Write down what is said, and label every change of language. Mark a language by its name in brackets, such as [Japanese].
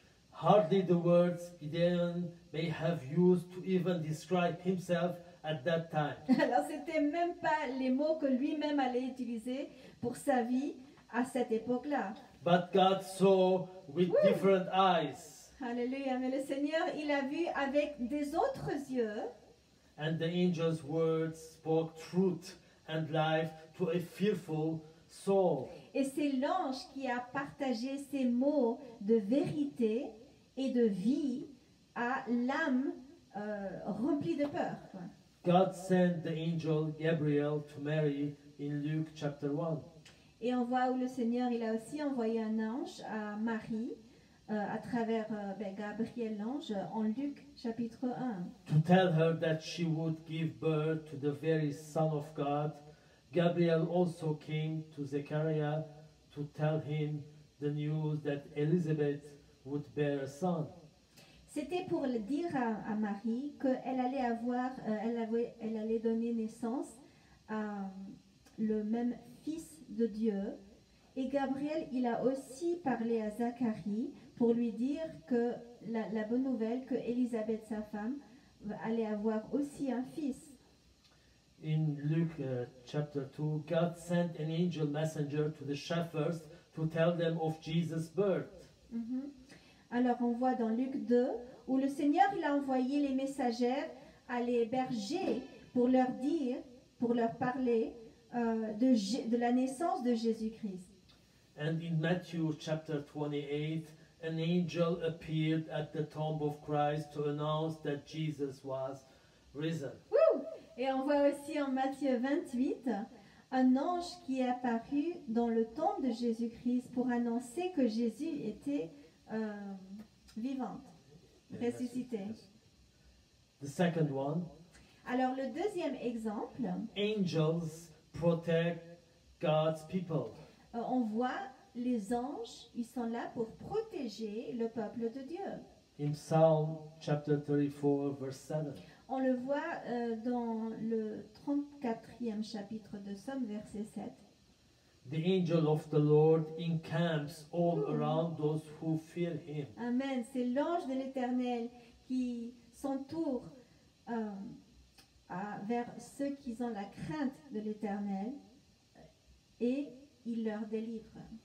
[English] Hardly the words Gideon may have used to even describe himself at that time. [French] Alors, c'était même pas les mots que lui-même allait utiliser pour sa vie à cette époque-là. [English] But God saw with different eyes. [French] Alléluia, mais le Seigneur, il a vu avec des autres yeux. [English] And the angel's words spoke truth and life to a fearful soul. [French] Et c'est l'ange qui a partagé ces mots de vérité et de vie à l'âme remplie de peur. [English] God sent the angel Gabriel to Mary in Luke chapter 1. [French] Et on voit où le Seigneur, il a aussi envoyé un ange à Marie à travers Gabriel l'ange en Luc chapitre 1. [English] To tell her that she would give birth to the very Son of God, Gabriel also came to Zechariah to tell him the news that Elizabeth would bear a son. [French] C'était pour le dire à Marie qu'elle allait avoir, elle allait donner naissance à le même fils de Dieu. Et Gabriel, il a aussi parlé à Zacharie pour lui dire que la bonne nouvelle, que Élisabeth, sa femme, allait avoir aussi un fils. [English] In Luke chapter 2, God sent an angel messenger to the shepherds to tell them of Jesus' birth. [French] Alors, on voit dans Luc 2, où le Seigneur, il a envoyé les messagères à les bergers pour leur dire, pour leur parler de la naissance de Jésus-Christ. [English] And in Matthew chapter 28, an angel appeared at the tomb of Christ to announce that Jesus was risen. Woo! [French] Et on voit aussi en Matthieu 28 un ange qui est apparu dans le tombe de Jésus-Christ pour annoncer que Jésus était vivant, ressuscité. [English] The second one. [French] Alors le deuxième exemple. [English] Angels protect God's people. [French] On voit les anges, ils sont là pour protéger le peuple de Dieu. [English] In Psalm chapter 34, verse 7. [French] On le voit dans le 34e chapitre de Somme, verset 7. [English] The angel of the Lord encamps all around those who fear him. Amen. [French] C'est l'ange de l'Éternel qui s'entoure vers ceux qui ont la crainte de l'Éternel et il leur délivre.